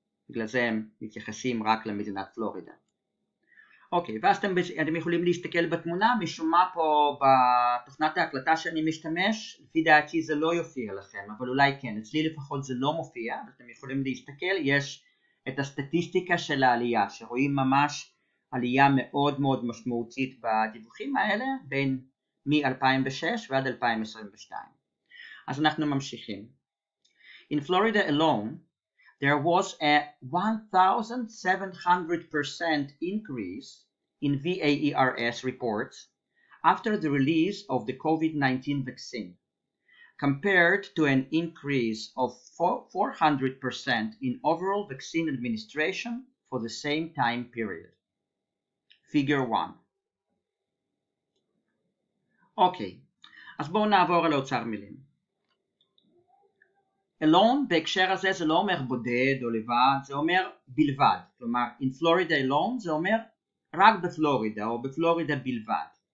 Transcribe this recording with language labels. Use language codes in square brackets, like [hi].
[he] בגלל זה הם מתייחסים רק למדינת פלורידה. אוקיי, ואז אתם יכולים להסתכל בתמונה, משום מה פה בתוכנת ההקלטה שאני משתמש, לפי דעתי זה לא יופיע לכם, אבל אולי כן, אצלי לפחות זה לא מופיע, אתם יכולים להסתכל, יש את הסטטיסטיקה של העלייה, שרואים ממש עלייה מאוד מאוד משמעותית בדיווחים האלה, בין מ-2006 ועד 2022. אז אנחנו ממשיכים. [en] In Florida alone, there was a 1,700% increase in VAERS reports after the release of the COVID-19 vaccine, compared to an increase of 400% in overall vaccine administration for the same time period. Figure 1. [he] Okay, אז בואו נעבור על אוצר מילים. Alone, בהקשר הזה, זה לא אומר בודד או לבד, זה אומר בלבד. כלומר, [en] in Florida alone, [he] זה אומר רק בפלורידה או בפלורידה בלבד.